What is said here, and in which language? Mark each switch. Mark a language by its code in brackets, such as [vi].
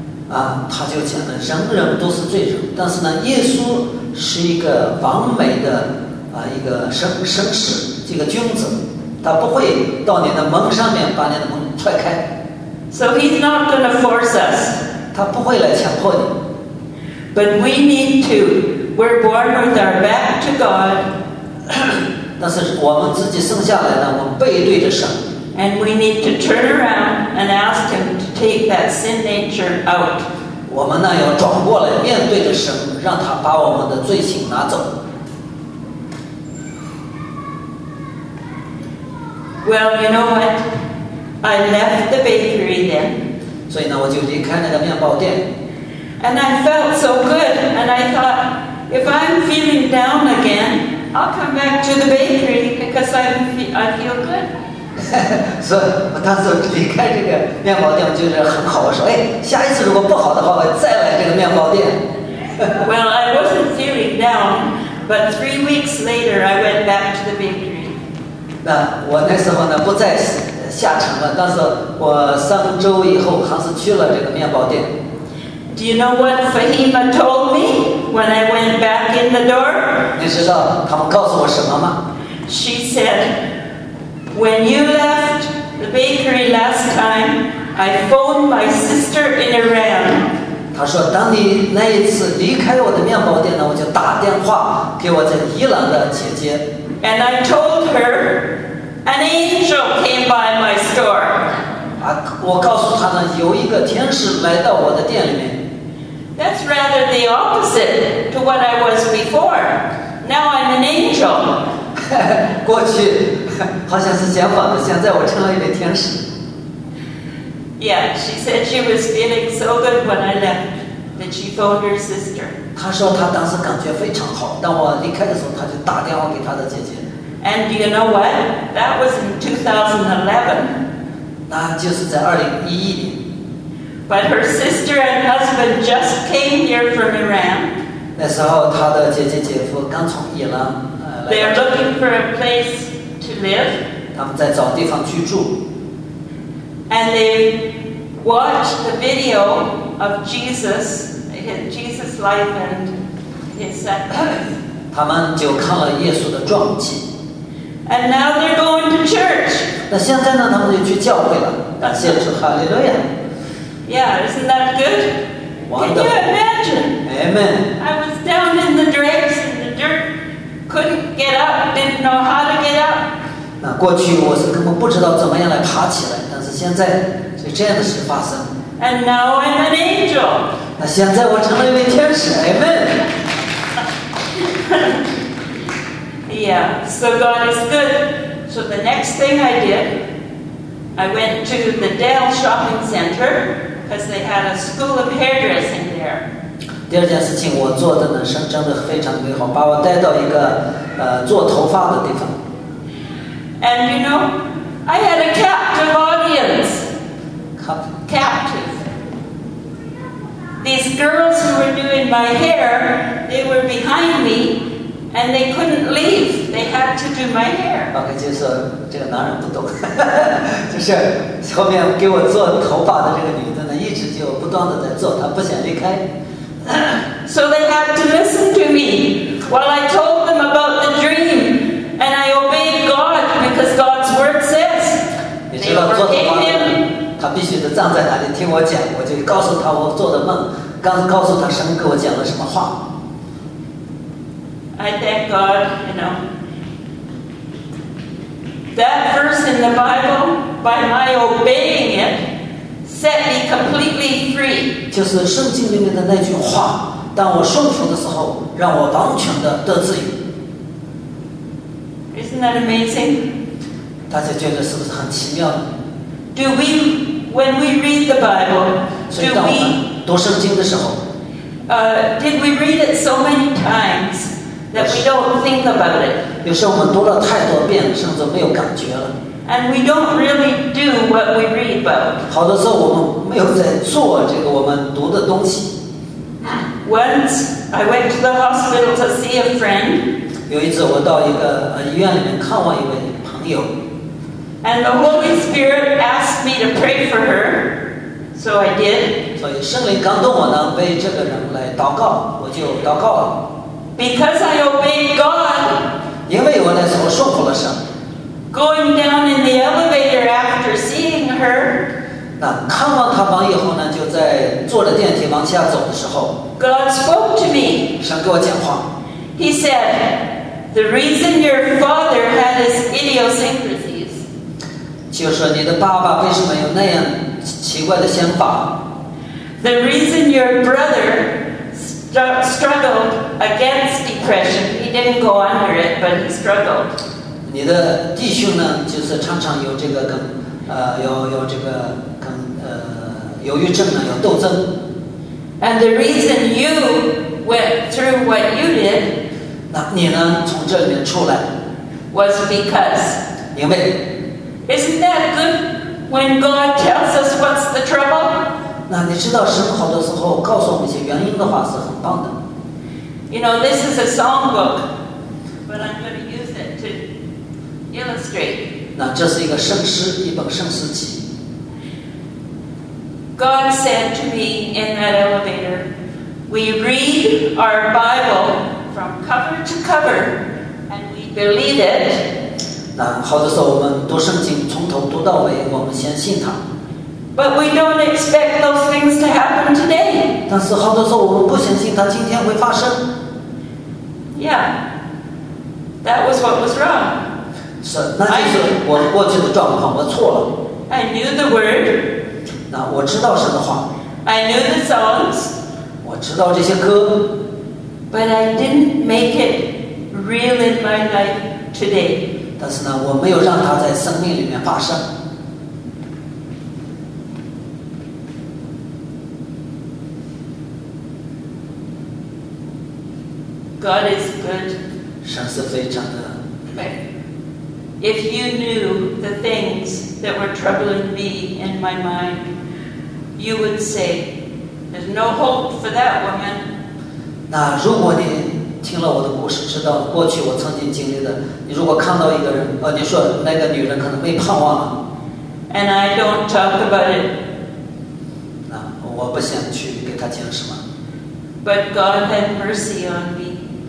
[zh] 啊，他就讲了，人人都是罪人，但是呢，耶稣是一个完美的啊，一个绅士，这个君子，他不会到你的门上面把你的门踹开。 [en] So he's not going to force us. [zh] 他不会来强迫你。 [en] But we need to. We're born with our back to God. [zh] 但是我们自己生下来呢，我们背对着神。 [en] And we need to turn around and ask him to take that sin nature out. [zh] 我们呢要转过来面对着神，让他把我们的罪性拿走。 [en] Well, you know what? I left the bakery then. [zh] 所以呢，我就离开那个面包店。 [en] And I felt so good, and I thought, if I'm feeling down again, I'll come back to the bakery because I feel good. [zh] 所以我当时离开这个面包店就是很好我说哎下一次如果不好的话我再来这个面包店 [en] well I wasn't feeling down but 3 weeks later I went back to the bakery [zh] 那我那时候呢不再下场了但是我3周以后还是去了这个面包店 [en] do you know what Fahima told me when I went back in the door [zh] 你知道他们告诉我什么吗 [en] she saidWhen you left the bakery last time, I phoned my sister in Iran. [zh] 他说，当你那一次离开我的面包店呢，我就打电话给我在伊朗的姐姐。 [en] And I told her an angel came by my store. [zh] 啊，我告诉她呢，有一个天使来到我的店里面。 [en] That's rather the opposite to what I was before. Now I'm an angel. [zh] 过去。好像是相反的现在我成了一位天使 [en] Yeah, she said she was feeling so good when I left that she phoned her sister [zh] 她说她当时感觉非常好当我离开的时候她就打电话给她的姐姐 [en] And do you know what? That was in 2011. [zh] 那就是在2011年。 [en] But her sister and husband just came here from Iran. [zh] 那时候她的姐姐姐夫刚从伊朗。 [en] They are looking for a place to live. [zh] 他们在找地方居住。 [en] And they watched the video of Jesus, Jesus' life and his sacrifice. [zh] 他们就看了耶稣的传记。 [en] And now they're going to church. [zh] 那现在呢？他们就去教会了。感谢主，哈利路亚。 [en] Yeah, isn't that good? Wonderful. Can you imagine? Amen. I was down in the dregs in the dirt, couldn't get up, didn't know how to get up. [zh] 那过去我是根本不知道怎么样来爬起来，但是现在是这样的事发生。 [en] And now I'm an angel. [zh] 那现在我成了一位天使。 [en] Amen. Yeah, so God is good. So the next thing I did, I went to the Dale Shopping Center because they had a school of hairdressing there. [zh] 第二件事情我做的呢，声称的非常美好，把我带到一个做头发的地方。 [en] And you know, I had a captive audience. Captive. These girls who were doing my hair, they were behind me. And they couldn't leave. They had to do my hair. [zh] Okay, 就是这个男人不懂，就是后面给我做头发的这个女的呢，一直就不断的在做，她不想离开。 [en] So they had to listen to me while I told them about the dream, and I obeyed God because God's word says. [zh] 你知道做头发的，他必须得站在那里听我讲，我就告诉他我做的梦，刚告诉他神给我讲了什么话。 [en] I thank God, you know. That verse in the Bible, by my obeying it, set me completely free. [zh] 就是圣经里面的那句话，当我顺服的时候，让我完全的得自由。 [en] Isn't that amazing? [zh] 大家觉得是不是很奇妙？ [en] Do we, when we read the Bible, do we [zh] 读圣经的时候， [en] did we read it so many times? That we don't think about it. [zh] 有时候我们读了太多遍，甚至没有感觉了。 [en] And we don't really do what we read about. [zh] 好多时候我们没有在做这个我们读的东西。 [en] Once I went to the hospital to see a friend. [zh] 有一次我到一个医院里面看望一位朋友。 [en] And the Holy Spirit asked me to pray for her, so I did. [zh] 所以圣灵感动我呢，为这个人来祷告，我就祷告了。 [en] Because I obeyed God, [zh] 因为我那时候顺服了神。 [en] Going down in the elevator after seeing her, [zh] 那看望他完以后呢，就在坐着电梯往下走的时候。 [en] God spoke to me. [zh] 神给我讲话。 [en] He said, "The reason your father had his idiosyncrasies." [zh] 就说你的爸爸为什么有那样奇怪的想法。 [en] The reason your brother. Struggled against depression. He didn't go under it, but he struggled. [zh] 你的弟兄呢？就是常常有这个跟有这个跟忧郁症呢有斗争。 [en] And the reason you went through what you did, [zh] 那你呢从这里面出来 [en] ，was because [zh] 因为 [en] Isn't that good when God tells us what's the trouble? [zh] 那你知道神好多时候告诉我们一些原因的话是很棒的。 [en] You know, this is a songbook, but I'm going to use it to illustrate. [zh] 那这是一个圣诗，一本圣诗集。 [en] God said to me in that elevator, "We read our Bible from cover to cover, and we believe it." [zh] 那好多时候我们读圣经从头读到尾，我们先信它。 [en] But we don't expect those things to happen today. [zh] 但是好多时候我们不相信它今天会发生。 [en] Yeah, that was what was wrong. [zh] 是，那就是我过去的状况，我错了。 [en] I knew the word. [zh] 那我知道什么话。 [en] I knew the songs. [zh] 我知道这些歌。 [en] But I didn't make it real in my life today. [zh] 但是呢，我没有让它在生命里面发生。 [en] God is good. [zh] 神是非常的美。 [en] If you knew the things that were troubling me in my mind, you would say, there's no hope for that woman. [zh] 那如果你听了我的故事，知道过去我曾经经历的，你如果看到一个人，你说那个女人可能没盼望了。 [en] And I don't talk about it. [zh] 那我不想去给她讲什么。 [en] But God had mercy on me.